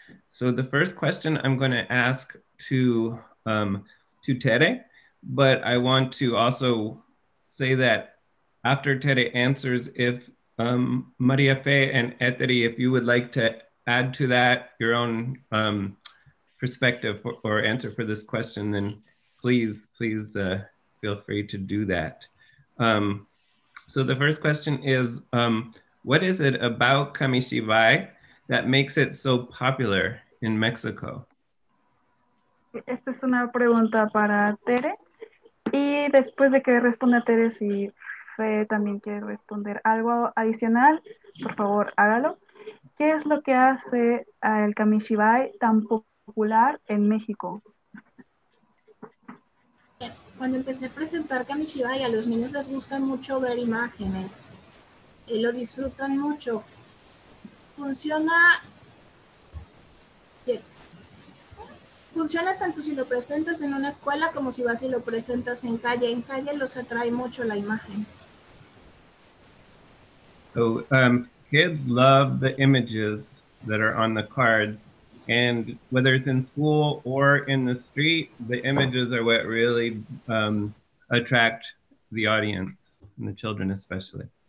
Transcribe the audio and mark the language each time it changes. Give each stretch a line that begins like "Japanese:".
English: So the first question I'm going to ask to Tere, but I want to also say that after Tere answers, if Maria Fe and Etery, if you would like to add to that your own perspective or answer for this question, then please feel free to do that. So the first question is, what is it about Kamishibai that makes it so popular in Mexico?
Spanish: Esta es una pregunta para Tere. Y después de que responda Tere, si Fe también quiere responder algo adicional, por favor, hágalo. ¿Qué es lo que hace el Kamishibai tan popular en México? Cuando empecé a presentar Kamishibai, a los niños les gusta mucho ver imágenes y lo disfrutan mucho. Funciona funciona tanto si lo presentas en una escuela como si vas y lo presentas en calle. En calle los atrae mucho la imagen.
English: So, kids love the images that are on the cards. And whether it's in school or in the street, the images are what really attract the audience, and the children especially.